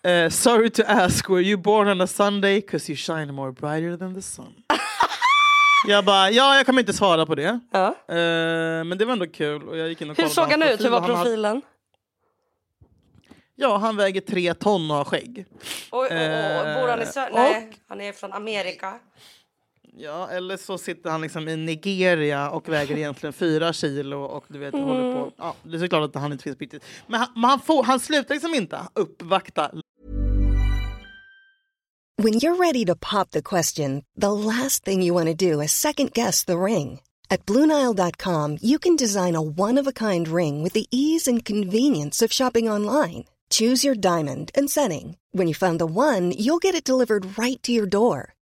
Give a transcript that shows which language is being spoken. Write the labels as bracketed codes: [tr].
[en] Sorry to ask, were you born on a Sunday? Because you shine more brighter than the sun." [sv] Jag bara, ja, jag kommer inte svara på det. Ja. Men det var ändå kul. Och jag gick in och hur såg han ut? Hur var profilen? Ja, han väger 3 ton och har skägg. Bor han i Sverige? Nej, han är från Amerika. Ja, eller så sitter han liksom i Nigeria och väger egentligen 4 kilo. Och du vet, håller på. Ja, det är så klart att han inte finns riktigt. Men, han slutar liksom inte uppvakta. [en] When you're ready to pop the question, the last thing you want to do is second-guess the ring. At BlueNile.com, you can design a one-of-a-kind ring with the ease and convenience of shopping online. Choose your diamond and setting. When you find the one, you'll get it delivered right to your door.